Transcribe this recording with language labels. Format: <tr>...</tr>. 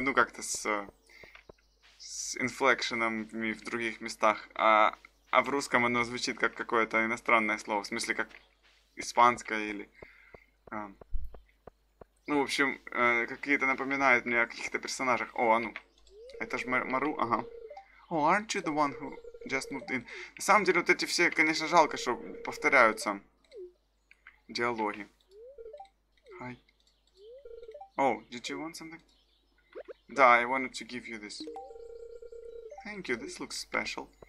<ru>Ну, как-то с инфлекшеном в других местах, а в русском оно звучит как какое-то иностранное слово, в смысле как испанское или ну, в общем, какие-то напоминают мне о каких-то персонажах. О, а ну, это ж Мару, ага.</ru> <en>О, aren't you the one who just moved in?</en> <ru>На самом деле, вот эти все, конечно, жалко, что повторяются диалоги.</ru> <en>Hi. Oh, did you want something? Да, I wanted to give you this. Thank you, this looks special.</en>